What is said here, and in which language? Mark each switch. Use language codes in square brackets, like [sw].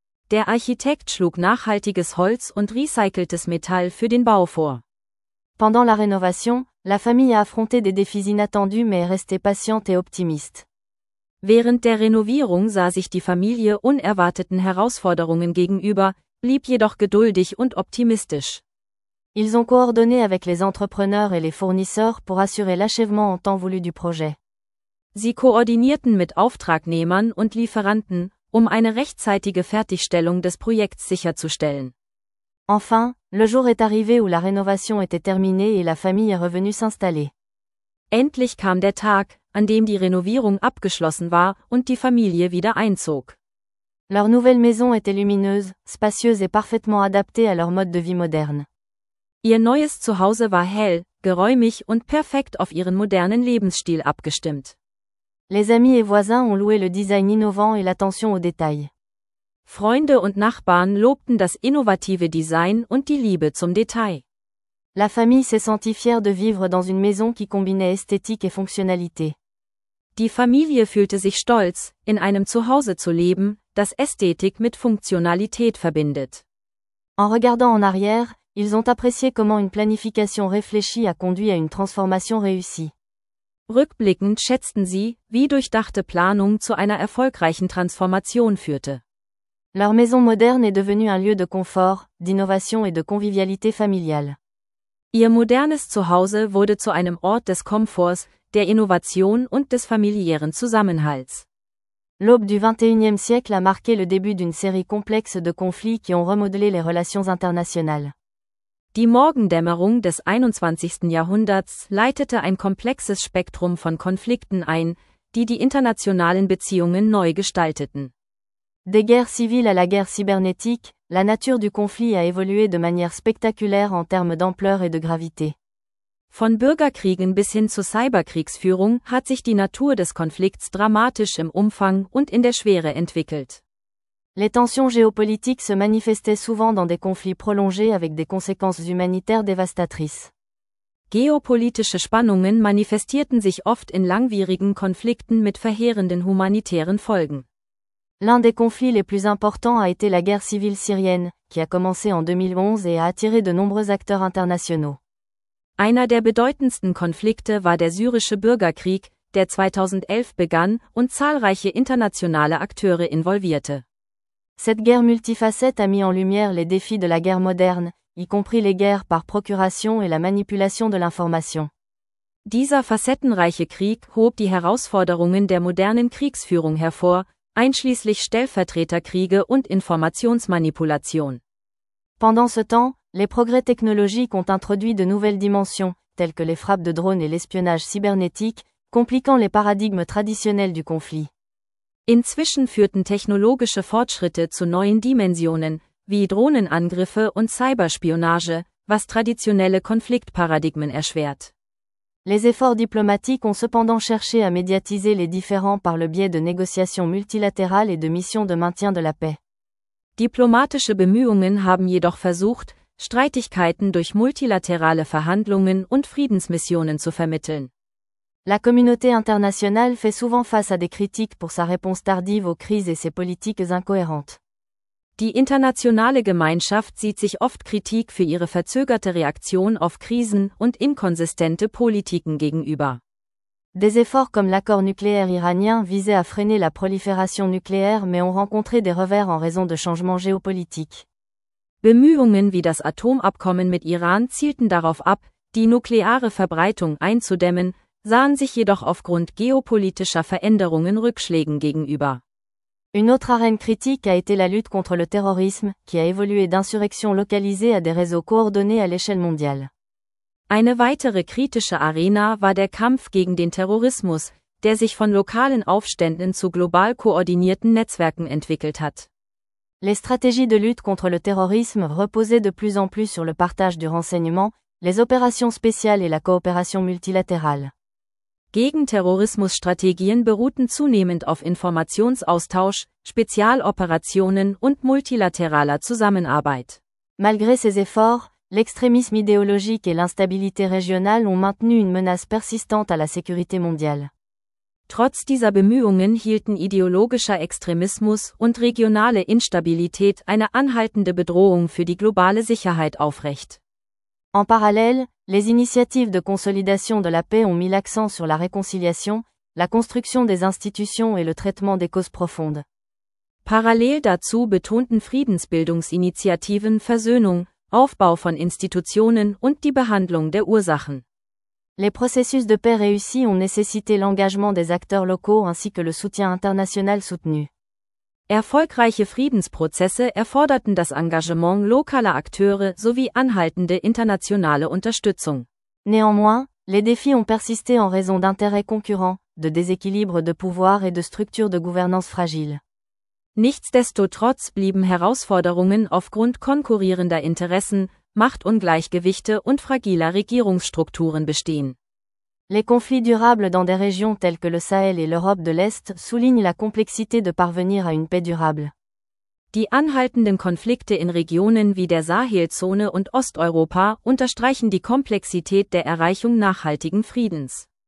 [de] Der Architekt schlug nachhaltiges Holz und recyceltes Metall für den Bau vor. [fr] Pendant la rénovation, la famille a affronté des défis inattendus mais est restée patiente et optimiste. [de] Während der Renovierung sah sich die Familie unerwarteten Herausforderungen gegenüber, blieb jedoch geduldig und optimistisch. [fr] Ils ont coordonné avec les entrepreneurs et les fournisseurs pour assurer l'achèvement en temps voulu du projet. [de] Sie koordinierten mit Auftragnehmern und Lieferanten, um eine rechtzeitige Fertigstellung des Projekts sicherzustellen. [fr] Enfin, le jour est arrivé où la rénovation était terminée et la famille est revenue s'installer. [de] Endlich kam der Tag, an dem die Renovierung abgeschlossen war und die Familie wieder einzog. [fr] Leur nouvelle maison était lumineuse, spacieuse et parfaitement adaptée à leur mode de vie moderne. [de] Ihr neues Zuhause war hell, geräumig und perfekt auf ihren modernen Lebensstil abgestimmt. [fr] Les amis et voisins ont loué le design innovant et l'attention aux détails. [de] Freunde und Nachbarn lobten das innovative Design und die Liebe zum Detail. [fr] La famille s'est sentie fière de vivre dans une maison qui combinait esthétique et fonctionnalité. [de] Die Familie fühlte sich stolz, in einem Zuhause zu leben, das Ästhetik mit Funktionalität verbindet. [fr] En regardant en arrière, ils ont apprécié comment une planification réfléchie a conduit à une transformation réussie. [de] Rückblickend schätzten sie, wie durchdachte Planung zu einer erfolgreichen Transformation führte. [fr] Leur maison moderne est devenue un lieu de confort, d'innovation et de convivialité familiale. [de] Ihr modernes Zuhause wurde zu einem Ort des Komforts, der Innovation und des familiären Zusammenhalts. [fr] L'aube du 21e siècle a marqué le début d'une série complexe de conflits qui ont remodelé les relations internationales. [de] Die Morgendämmerung des 21. Jahrhunderts leitete ein komplexes Spektrum von Konflikten ein, die die internationalen Beziehungen neu gestalteten. [fr] Des guerres civiles à la guerre cybernétique, la nature du conflit a évolué de manière spectaculaire en termes d'ampleur et de gravité. [de] Von Bürgerkriegen bis hin zu Cyberkriegsführung hat sich die Natur des Konflikts dramatisch im Umfang und in der Schwere entwickelt. [fr] Les tensions géopolitiques se manifestaient souvent dans des conflits prolongés avec des conséquences humanitaires dévastatrices. [de] Geopolitische Spannungen manifestierten sich oft in langwierigen Konflikten mit verheerenden humanitären Folgen. [fr] L'un des conflits les plus importants a été la guerre civile syrienne, qui a commencé en 2011 et a attiré de nombreux acteurs internationaux. [de] Einer der bedeutendsten Konflikte war der syrische Bürgerkrieg, der 2011 begann und zahlreiche internationale Akteure involvierte. [fr] Cette guerre multifacette a mis en lumière les défis de la guerre moderne, y compris les guerres par procuration et la manipulation de l'information. [de] Dieser facettenreiche Krieg hob die Herausforderungen der modernen Kriegsführung hervor, einschließlich Stellvertreterkriege und Informationsmanipulation. [fr] Pendant ce temps, les progrès technologiques ont introduit de nouvelles dimensions, tels que les frappes de drones et l'espionnage cybernétique, compliquant les paradigmes traditionnels du conflit. [de] Inzwischen führten technologische Fortschritte zu neuen Dimensionen, wie Drohnenangriffe und Cyberspionage, was traditionelle Konfliktparadigmen erschwert. [fr] Les efforts diplomatiques ont cependant cherché à médiatiser les différends par le biais de négociations multilatérales et de missions de maintien de la paix. [de] Diplomatische Bemühungen haben jedoch versucht, Streitigkeiten durch multilaterale Verhandlungen und Friedensmissionen zu vermitteln. [fr] La communauté internationale fait souvent face à des critiques pour sa réponse tardive aux crises et ses politiques incohérentes. [de] Die internationale Gemeinschaft sieht sich oft Kritik für ihre verzögerte Reaktion auf Krisen und inkonsistente Politiken gegenüber. [fr] Des efforts comme l'accord nucléaire iranien visaient à freiner la prolifération nucléaire mais ont rencontré des revers en raison de changements géopolitiques. [de] Bemühungen wie das Atomabkommen mit Iran zielten darauf ab, die nukleare Verbreitung einzudämmen, sahen sich jedoch aufgrund geopolitischer Veränderungen Rückschlägen gegenüber. [fr] Une autre arène critique a été la lutte contre le terrorisme, qui a évolué d'insurrections localisées à des réseaux coordonnés à l'échelle mondiale. [de] Eine weitere kritische Arena war der Kampf gegen den Terrorismus, der sich von lokalen Aufständen zu global koordinierten Netzwerken entwickelt hat. [fr] Les stratégies de lutte contre le terrorisme reposaient de plus en plus sur le partage du renseignement, les opérations spéciales et la coopération multilatérale. [de] Gegenterrorismusstrategien beruhten zunehmend auf Informationsaustausch, Spezialoperationen und multilateraler Zusammenarbeit. [fr] Malgré ces efforts, l'extrémisme idéologique et l'instabilité régionale ont maintenu une menace persistante à la sécurité mondiale. [de] Trotz dieser Bemühungen hielten ideologischer Extremismus und regionale Instabilität eine anhaltende Bedrohung für die globale Sicherheit aufrecht. [fr] En parallèle, les initiatives de consolidation de la paix ont mis l'accent sur la réconciliation, la construction des institutions et le traitement des causes profondes. [de] Parallel dazu betonten Friedensbildungsinitiativen Versöhnung, Aufbau von Institutionen und die Behandlung der Ursachen. [fr] Les processus de paix réussis ont nécessité l'engagement des acteurs locaux ainsi que le soutien international soutenu. [de] Erfolgreiche Friedensprozesse erforderten das Engagement lokaler Akteure sowie anhaltende internationale Unterstützung. [fr] Néanmoins, les défis ont persisté en raison d'intérêts concurrents, de déséquilibres de pouvoir et de structures de gouvernance fragiles. [de] Nichtsdestotrotz blieben Herausforderungen aufgrund konkurrierender Interessen, Machtungleichgewichte und fragiler Regierungsstrukturen bestehen. [fr] Les conflits durables dans des régions telles que le Sahel et l'Europe de l'Est soulignent la complexité de parvenir à une paix durable. [de] Die anhaltenden Konflikte in Regionen wie der Sahelzone und Osteuropa unterstreichen die Komplexität der Erreichung nachhaltigen Friedens.